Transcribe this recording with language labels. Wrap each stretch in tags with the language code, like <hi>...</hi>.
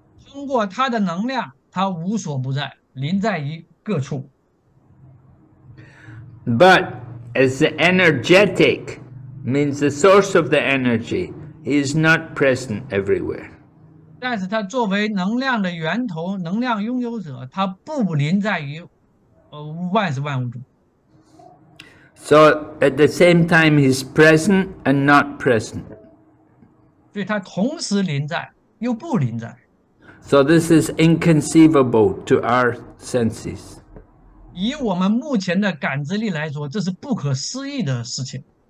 <zh>通过他的能量，他无所不在，临在于各处。</zh> <en>But as the energetic means the source of the energy, he is not present everywhere.</en> <zh>但是他作为能量的源头，能量拥有者，他不临在于，万事万物中。</zh> <en>So at the same time, he's present and not present.</en> <zh>所以他同时临在又不临在。</zh> <en>So this is inconceivable to our senses.</en> <zh>以我们目前的感知力来说，这是不可思议的事情。</zh>